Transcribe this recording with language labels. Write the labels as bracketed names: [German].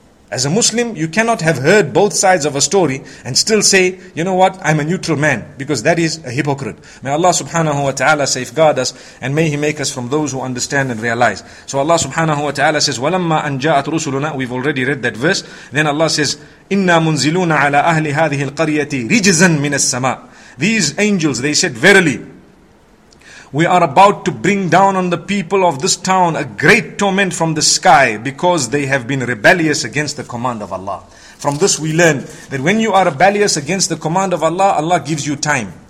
[English] As a Muslim, you cannot have heard both sides of a story and still say, you know what, I'm a neutral man, because that is a hypocrite. May Allah subhanahu wa ta'ala safeguard us, and may He make us from those who understand and realize. So Allah subhanahu wa ta'ala says, [Arabic] وَلَمَّا أَنْ جَاءَتْ رُسُلُنَا. [English] We've already read that verse. Then Allah says, [Arabic] إِنَّا مُنزِلُونَ عَلَىٰ أَهْلِ هَذِهِ الْقَرْيَةِ رِجْزًا مِنَ السَّمَاءِ. [English] These angels, they said, verily, we are about to bring down on the people of this town a great torment from the sky, because they have been rebellious against the command of Allah. From this we learn that when you are rebellious against the command of Allah, Allah gives you time.